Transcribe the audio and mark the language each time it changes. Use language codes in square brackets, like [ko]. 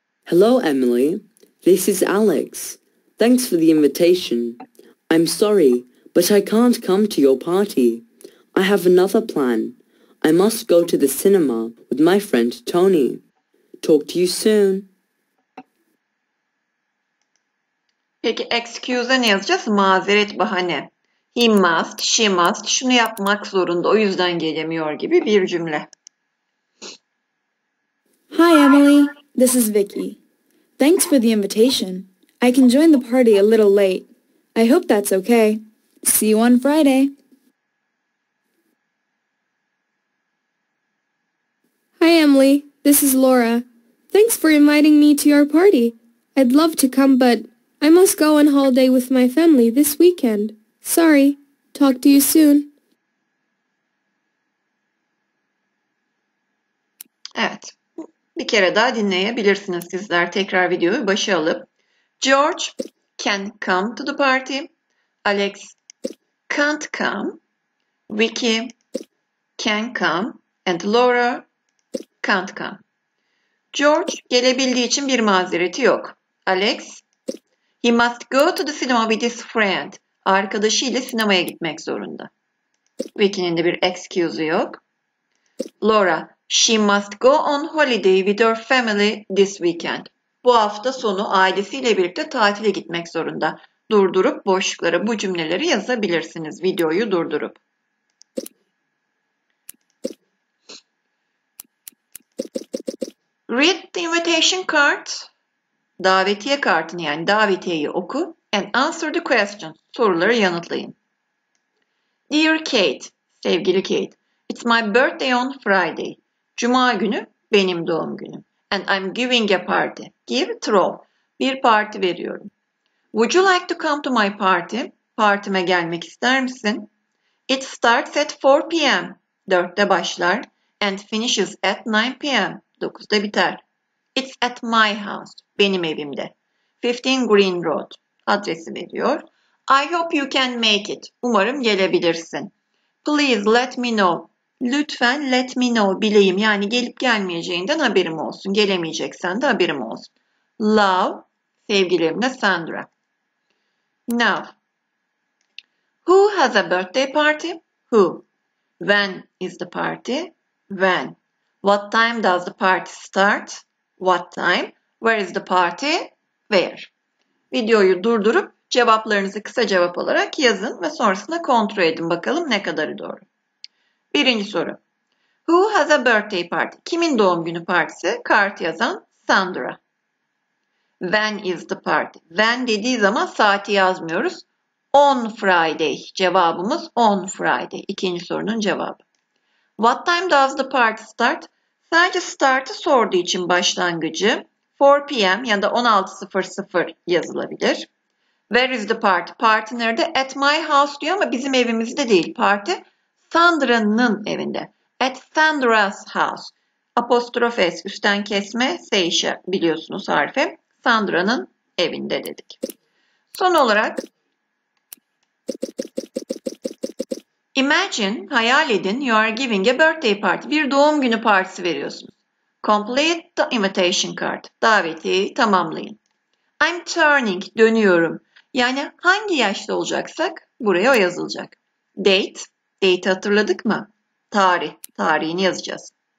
[en] Hello, Emily. This is Alex. Thanks for the invitation. I'm sorry, but I can't come to your party. I have another plan. I must go to the cinema with my friend Tony. Talk to you soon. [tr] Peki excuse'a ne yazacağız? Mazeret, bahane. [en] He must, she must, [tr] şunu yapmak zorunda, o yüzden gelemiyor gibi bir cümle. [en] Hi Emily, this is Vicky. Thanks for the invitation. I can join the party a little late. I hope that's okay. See you on Friday. Hi Emily, this is Laura. Thanks for inviting me to your party. I'd love to come, but I must go on holiday with my family this weekend. Sorry. Talk to you soon. [tr] Evet. Bir kere daha dinleyebilirsiniz sizler tekrar videoyu başa alıp. [en] George can come to the party. Alex can't come. Vicky can come. And Laura can't come. [tr] George gelebildiği için bir mazereti yok. [en] Alex, he must go to the cinema with his friend. [tr] Arkadaşı ile sinemaya gitmek zorunda. Vicky'nin de bir excuse'u yok. [en] Laura, she must go on holiday with her family this weekend. [tr] Bu hafta sonu ailesiyle birlikte tatile gitmek zorunda. Durdurup boşluklara bu cümleleri yazabilirsiniz videoyu durdurup. [en] Read the invitation card. [tr] Davetiye kartını, yani davetiyeyi oku [en] and answer the question. [tr] Soruları yanıtlayın. [en] Dear Kate, sevgili Kate, it's my birthday on Friday. [tr] Cuma günü benim doğum günüm. [en] And I'm giving a party. Give, throw. [tr] Bir parti veriyorum. [en] Would you like to come to my party? [tr] Partime gelmek ister misin? [en] It starts at 4 p.m. [tr] 4'te başlar. [en] And finishes at 9 p.m. [tr] 9'da biter. [en] It's at my house. [tr] Benim evimde. [en] 15 Green Road. [tr] Adresi veriyor. [en] I hope you can make it. [tr] Umarım gelebilirsin. [en] Please let me know. [tr] Lütfen [en] let me know. [tr] Bileyim. Yani gelip gelmeyeceğinden haberim olsun. Gelemeyeceksen de haberim olsun. [en] Love. [tr] Sevgilerimle [en] Sandra. Now. Who has a birthday party? Who? When is the party? When? What time does the party start? What time? Where is the party? Where? [tr] Videoyu durdurup cevaplarınızı kısa cevap olarak yazın ve sonrasında kontrol edin bakalım ne kadarı doğru. Birinci soru. [en] Who has a birthday party? [tr] Kimin doğum günü partisi? Kart yazan Sandra. [en] When is the party? [tr] When dediği zaman saati yazmıyoruz. [en] On Friday. [tr] Cevabımız on Friday. İkinci sorunun cevabı. [en] What time does the party start? [tr] Sadece start'ı sorduğu için başlangıcı 4 p.m. ya da 16.00 yazılabilir. [en] Where is the party? [tr] Party nerede? [en] At my house [tr] diyor ama bizim evimizde değil. Party Sandra'nın evinde. [en] At Sandra's house. [tr] Apostrof s, üstten kesme, seyşe biliyorsunuz harfi. Sandra'nın evinde dedik. Son olarak [en] imagine, [tr] hayal edin, [en] you are giving a birthday party. [tr] Bir doğum günü partisi veriyorsunuz. [en] Complete the invitation card. [tr] Davetiyeyi tamamlayın. [en] I'm turning, [tr] dönüyorum. Yani hangi yaşta olacaksak buraya o yazılacak. Date, date hatırladık mı? Tarih, tarihini yazacağız.